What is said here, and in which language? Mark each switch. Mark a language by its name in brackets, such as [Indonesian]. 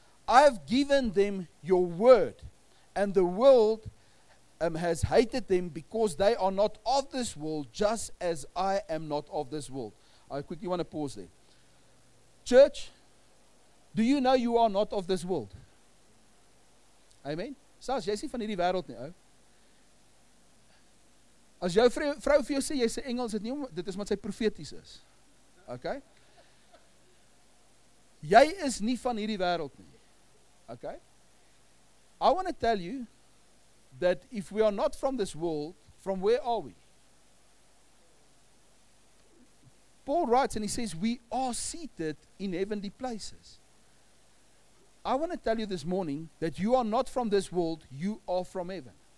[English] I have given them your word, and the world has hated them because they are not of this world, just as I am not of this world. I quickly want to pause there. Church, do you know you are not of this world? Amen? [Afrikaans] Sas, jy is nie van hierdie wêreld nie, ou. As jou vrou vir jou sê, jy is 'n engel, dit is wat sy profeties is. Okay? Jy is nie van hierdie wêreld nie. Okay? [English] I want to tell you that if we are not from this world, from where are we? Paul writes and he says, we are seated in heavenly places. I want to tell you this morning that you are not from this world, you are from heaven.